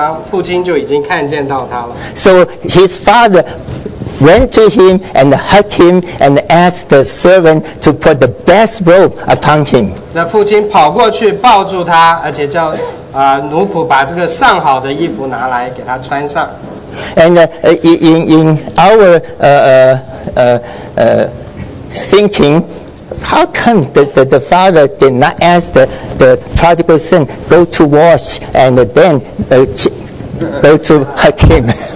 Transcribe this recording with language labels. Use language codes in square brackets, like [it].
[zh] 当他在回家的路上，在远远的地方，父亲就已经看见到他了。 [en] So his father went to him and hugged him and asked the servant to put the best robe upon him. [zh] 这父亲跑过去抱住他，而且叫 奴仆把这个上好的衣服拿来给他穿上。 [en] And in our thinking, how come the father did not ask the prodigal son go to wash and then go to hug him?